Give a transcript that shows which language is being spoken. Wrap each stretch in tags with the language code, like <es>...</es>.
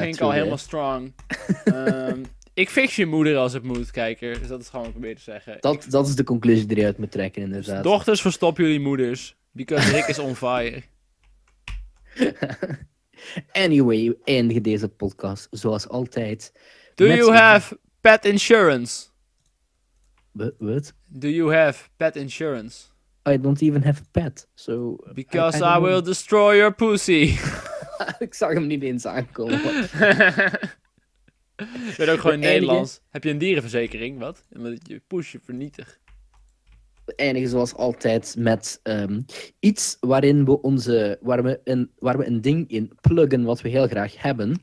<nl>ging ik al helemaal strong. ik fix je moeder als het moet, kijker. Dus dat is gewoon wat ik probeer te zeggen. Dat is de conclusie die je uit moet trekken, inderdaad. Dus dochters, verstop jullie moeders.</nl> <en>Because Rick is on fire.</en> <nl>Anyway, we eindigen deze podcast zoals altijd.</nl> <en>Do you have pet insurance? What? Do you have pet insurance? I don't even have a pet, so... Because I will destroy your pussy.</en> <nl>Ik zag hem niet eens aankomen. Ik ben ook gewoon Nederlands. Heb je een dierenverzekering? Wat? Je poes je vernietig. We eindigen zoals altijd met iets waarin we onze... Waar we een ding in pluggen wat we heel graag hebben.</nl>